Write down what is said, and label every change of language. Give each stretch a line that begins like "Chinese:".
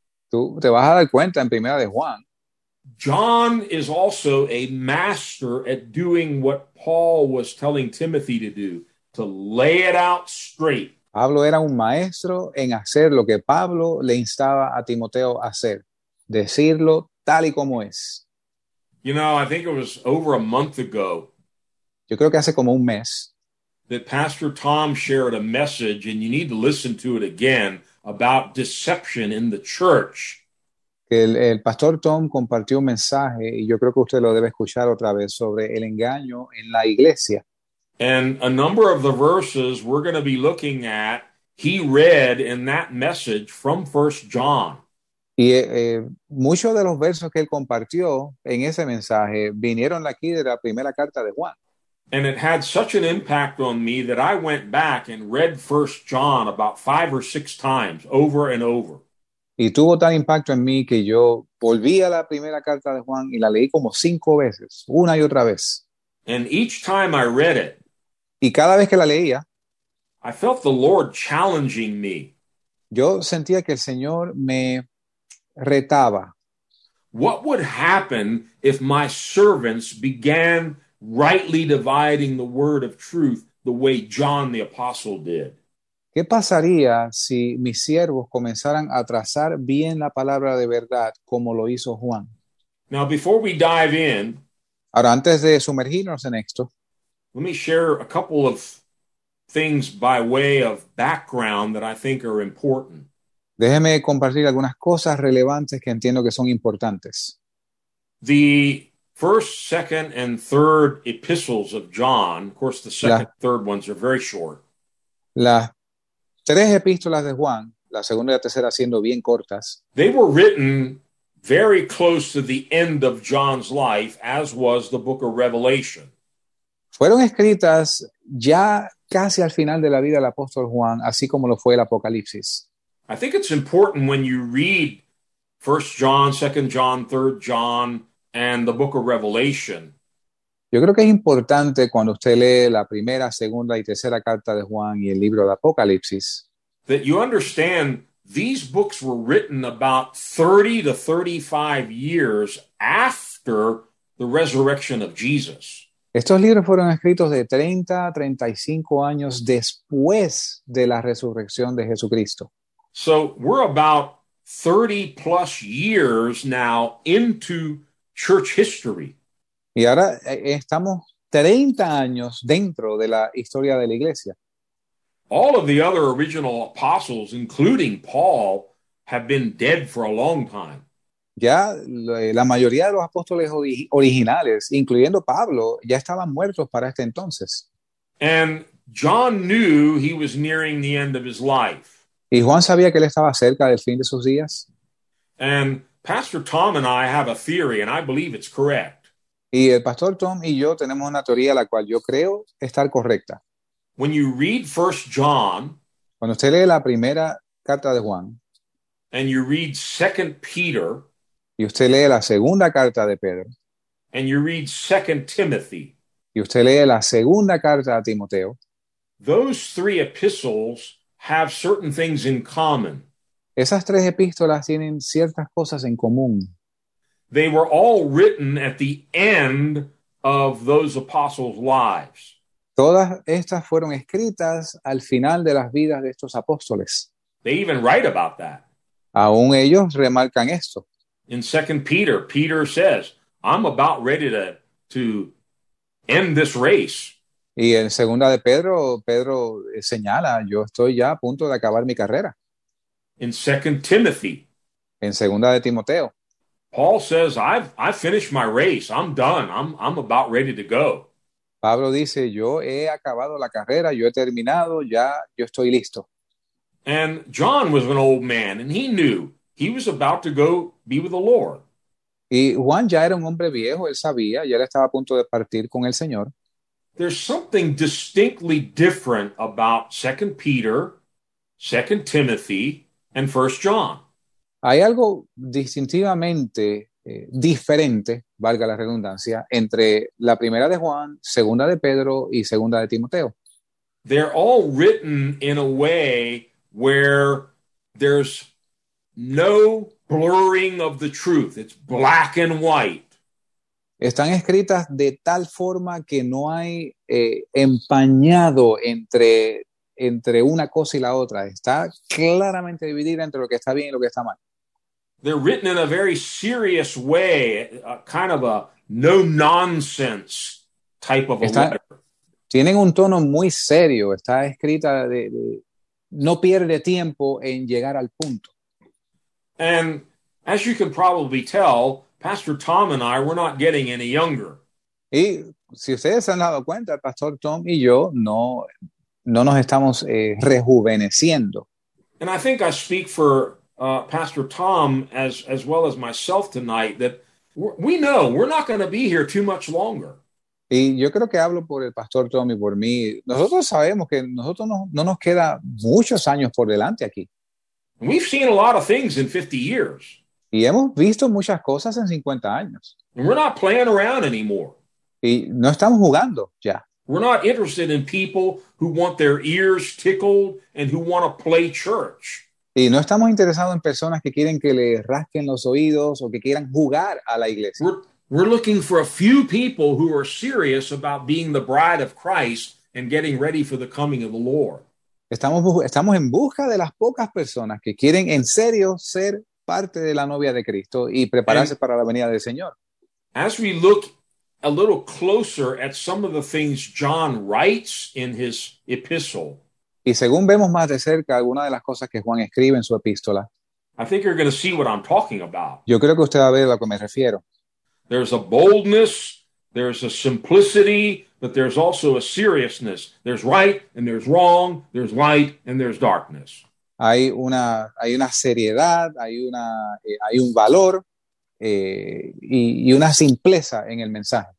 Spanish: Tú te vas a dar cuenta en Primera de Juan.
English: John is also a master at doing what Paul was telling Timothy to do, to lay it out straight.
Spanish: Pablo era un maestro en hacer lo que Pablo le instaba a Timoteo a hacer, decirlo tal y como es.
English: You know, I think it was over a month ago.
Spanish: Yo creo que hace como un mes.
English: That Pastor Tom shared a message, and you need to listen to it again, about deception in the church.
Spanish: El pastor Tom compartió un mensaje y yo creo que usted lo debe escuchar otra vez sobre el engaño en la iglesia.
English: And a number of the verses we're going to be looking at, he read in that message from 1 John.
Spanish: Y muchos de los versos que él compartió en ese mensaje vinieron aquí de la primera carta de Juan.
English: And it had such an impact on me that I went back and read 1 John about 5 or 6 times over and over.
Spanish: Y tuvo tal impacto en mí que yo volví a la primera carta de Juan y la leí como 5 veces, una y otra vez.
English: And each time I read it,
Spanish: y cada vez que la leía,
English: I felt the Lord challenging me.
Spanish: Yo sentía que el Señor me retaba.
English: What would happen if my servants began rightly dividing the word of truth the way John the Apostle did?
Spanish: ¿Qué pasaría si mis siervos comenzaran a trazar bien la palabra de verdad como lo hizo Juan?
English: Now, before we dive in,
Spanish: ahora, antes de sumergirnos en esto,
English: let me share a couple of things by way of background that I think are important.
Spanish: Déjeme compartir algunas cosas relevantes que entiendo que son importantes.
English: The 1st, 2nd, and 3rd epistles of John, of course, the 2nd, 3rd ones are very short.
Spanish: Las tres epístolas de Juan, la segunda y la tercera siendo bien cortas.
English: They were written very close to the end of John's life, as was the book of Revelation.
Spanish: Fueron escritas ya casi al final de la vida del apóstol Juan, así como lo fue el Apocalipsis.
English: I think it's important when you read 1 John, 2 John, 3 John, and the book of Revelation.
Spanish: Yo creo que es importante cuando usted lee la primera, segunda y tercera carta de Juan y el libro de Apocalipsis.
English: That you understand these books were written about 30 to 35 years after the resurrection of Jesus.
Spanish: Estos libros fueron escritos de 30 a 35 años después de la resurrección de Jesucristo.
English: So we're about 30 plus years now into church history.
Spanish: Y ahora estamos 30 años dentro de la historia de la iglesia.
English: All of the other original apostles, including Paul, have been dead for a long time.
Spanish: Ya la mayoría de los apóstoles originales, incluyendo Pablo, ya estaban muertos para este entonces.
English: And John knew he was nearing the end of his life.
Spanish: Y Juan sabía que él estaba cerca del fin de sus días.
English: And Pastor Tom and I have a theory, and I believe it's correct.
Spanish: Y el pastor Tom y yo tenemos una teoría la cual yo creo estar correcta.
English: When you read 1 John,
Spanish: cuando usted lee la primera carta de Juan,
English: and you read 2 Peter,
Spanish: y usted lee la segunda carta de Pedro,
English: and you read 2 Timothy,
Spanish: y usted lee la segunda carta a Timoteo,
English: those three epistles have certain things in common.
Spanish: Esas tres epístolas tienen ciertas cosas en común.
English: They were all written at the end of those apostles' lives.
Spanish: Todas estas fueron escritas al final de las vidas de estos apóstoles.
English: They even write about that.
Spanish: Aún ellos remarcan esto.
English: In 2 Peter, Peter says, I'm about ready to end this race.
Spanish: Y en segunda de Pedro, Pedro señala, yo estoy ya a punto de acabar mi carrera.
English: In 2 Timothy,
Spanish: en segunda de Timoteo,
English: Paul says, I've finished my race. I'm done. I'm about ready to go.
Spanish: Pablo dice, yo he acabado la carrera, yo he terminado, ya yo estoy listo.
English: And John was an old man, and he knew he was about to go be with the Lord.
Spanish: Y Juan ya era un hombre viejo, él sabía, ya él estaba a punto de partir con el Señor.
English: There's something distinctly different about 2 Peter, 2 Timothy, and 1 John.
Spanish: Hay algo distintivamente diferente, valga la redundancia, entre la primera de Juan, segunda de Pedro y segunda de Timoteo.
English: They're all written in a way where there's no blurring of the truth. It's black and white.
Spanish: Están escritas de tal forma que no hay empañado entre una cosa y la otra. Está claramente dividida entre lo que está bien y lo que está mal.
English: They're written in a very serious way, a kind of a no-nonsense type of a letter.
Spanish: Tienen un tono muy serio. Está escrita de no pierde tiempo en llegar al punto.
English: And as you can probably tell, Pastor Tom and I, we're not getting any younger.
Spanish: Y si ustedes se han dado cuenta, Pastor Tom y yo no nos estamos rejuveneciendo.
English: And I think I speak for Pastor Tom as well as myself tonight that we know we're not going to be here too much longer.
Spanish: Y yo creo que hablo por el Pastor Tom y por mí. Nosotros sabemos que nosotros no nos queda muchos años por delante aquí.
English: We've seen a lot of things in 50 years.
Spanish: Y hemos visto muchas cosas en 50 años.
English: And we're not playing around anymore.
Spanish: Y no estamos jugando ya.
English: We're not interested in people who want their ears tickled and who want to play church.
Spanish: Y no estamos interesados en personas que quieren que le rasquen los oídos o que quieran jugar a la iglesia.
English: We're looking for a few people who are serious about being the bride of Christ and getting ready for the coming of the Lord.
Spanish: Estamos en busca de las pocas personas que quieren en serio ser parte de la novia de Cristo y prepararse para la venida del Señor.
English: As we look a little closer at some of the things John writes in his epistle.
Spanish: Y según vemos más de cerca algunas de las cosas que Juan escribe en su epístola.
English: I think you're going to see what I'm talking about.
Spanish: Yo creo que usted va a ver a lo que me refiero.
English: There's a boldness, there's a simplicity, but there's also a seriousness. There's right and there's wrong, there's light and there's darkness.
Spanish: Hay una seriedad, hay un valor y una simpleza en el mensaje.